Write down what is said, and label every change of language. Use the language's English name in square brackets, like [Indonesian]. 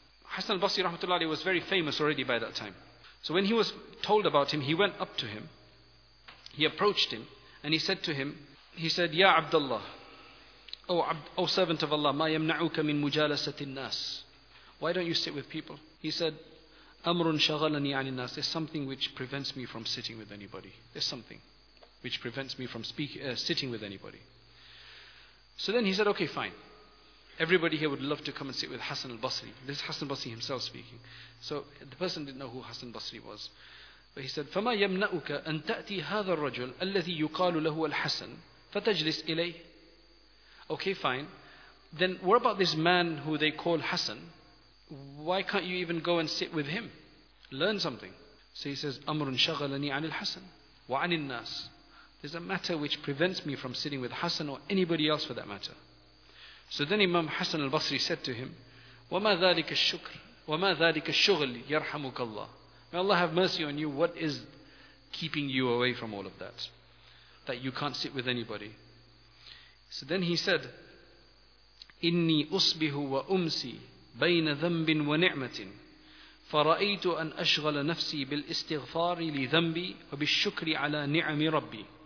[English] Hassan al-Basri rahmatullahi was very famous already by that time. So when he was told about him, he went up to him. He approached him and he said, Ya Abdullah, O servant of Allah, [Arabic] ما يمنعك من مجالسة الناس. [English] Why don't you sit with people? He said, [Arabic] أمرٌ شغلني عن الناس. [English] There's something which prevents me from sitting with anybody. There's something which prevents me from sitting with anybody. So then he said, okay, fine. Everybody here would love to come and sit with Hassan al-Basri. This is Hassan al-Basri himself speaking. So the person didn't know who Hassan al-Basri was. But he said, [Arabic] فَمَا يَمْنَأُكَ أَن تَأْتِي هَذَا الرَّجُلُ الَّذِي يُقَالُ لَهُ الْحَسَنُ فَتَجْلِسْ إِلَيْهِ. [English] Okay, fine. Then what about this man who they call Hassan? Why can't you even go and sit with him? Learn something. So he says, [Arabic] أَمْرٌ شَغَلَنِي عَنِ الْحَسَنِ وَعَنِ النَّاسِ. [English] There's a matter which prevents me from sitting with Hassan or anybody else for that matter. So then Imam Hassan al-Basri said to him, [Arabic] وَمَا ذَلِكَ الشُّكْرِ وَمَا ذَلِكَ الشُّغْلِ يَرْحَمُكَ اللَّهِ. [English] May Allah have mercy on you. What is keeping you away from all of that? That you can't sit with anybody. So then he said, [Arabic] إِنِّي أُصْبِهُ وَأُمْسِي بَيْنَ ذَنْبٍ وَنِعْمَةٍ فَرَأَيْتُ أَنْ أَشْغَلَ نَفْسِي بِالْإِسْتِغْفَارِ لِذَنْبِي وَبِالشُّكْرِ عَلَى نِعْمِ رَبِّي.